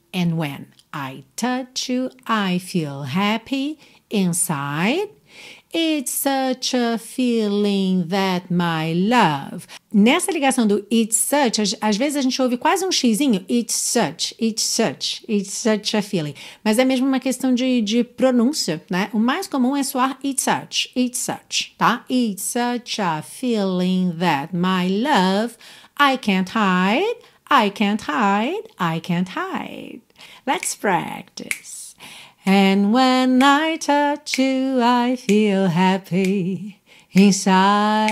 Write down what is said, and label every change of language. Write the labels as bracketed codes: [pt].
[en] And when I touch you, I feel happy inside. It's such a feeling that my love. [pt] Nessa ligação do it's such, às vezes a gente ouve quase um xizinho. [en] It's such, it's such, it's such a feeling. [pt] Mas é mesmo uma questão de pronúncia, né? O mais comum é soar it's such, tá? [en] It's such a feeling that my love, I can't hide, I can't hide, I can't hide. Let's practice. And when I touch you, I feel happy inside.